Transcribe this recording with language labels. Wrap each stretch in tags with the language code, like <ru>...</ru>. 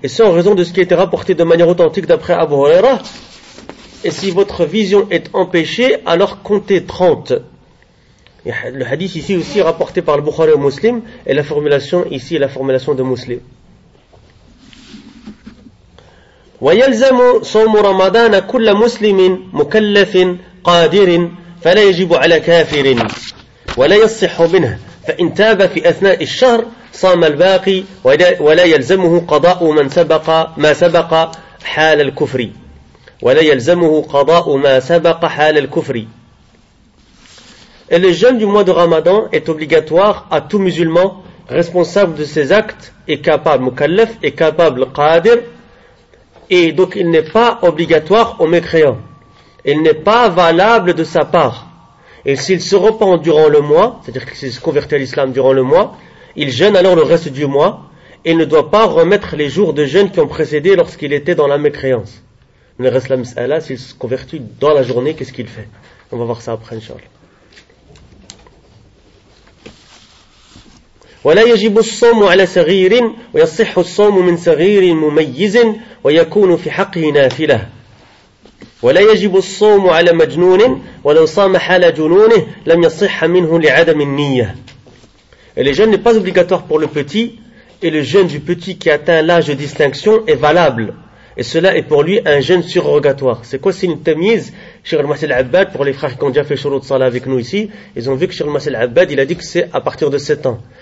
<fr>Et c'est en raison de ce qui a été rapporté de manière authentique d'après Abu Huraira. Et si votre vision est empêchée, alors comptez 30. Et le hadith ici aussi rapporté par le Bukhari au Muslim, et la formulation ici est la formulation de Muslim.</fr> <ar>ويلزم صوم رمضان كل مسلم مكلف قادر فلا يجب على كافر ولا يصح منه فإن تاب في أثناء الشهر صام الباقي ولا يلزمه قضاء من سبق ما سبق حال الكفر ولا يلزمه قضاء ما سبق حال الكفر.</ar> <fr>Le jeûne du mois de Ramadan est obligatoire à tout musulman responsable de ses actes et capable mukallaf et capable qadir. Et donc il n'est pas obligatoire aux mécréants. Il n'est pas valable de sa part. Et s'il se repent durant le mois, c'est-à-dire qu'il s'est converti à l'islam durant le mois, il jeûne alors le reste du mois. Et il ne doit pas remettre les jours de jeûne qui ont précédé lorsqu'il était dans la mécréance. Mais reste la mis'ala, s'il se convertit dans la journée, qu'est-ce qu'il fait? On va voir ça après, Inch'Allah.</fr> <ar>ولا يجب الصوم على صغير ويصح الصوم من صغير مميز ويكون في حقه نافلة ولا يجب الصوم على مجنون ولو صام حال جنونه لم يصح منه لعدم النية.</ar> <fr>Et le jeûne n'est pas obligatoire pour le petit, et le jeûne du petit qui atteint l'âge de distinction est valable, et cela est pour lui un jeûne surrogatoire. C'est quoi c'est une tamyiz, Cheikh Al-Masih Al-Abbad, pour les frères qui ont déjà fait shurut salah avec nous ici, ils ont vu que Cheikh Al-Masih Al-Abbad, il a dit que c'est à partir de 7 ans.</fr>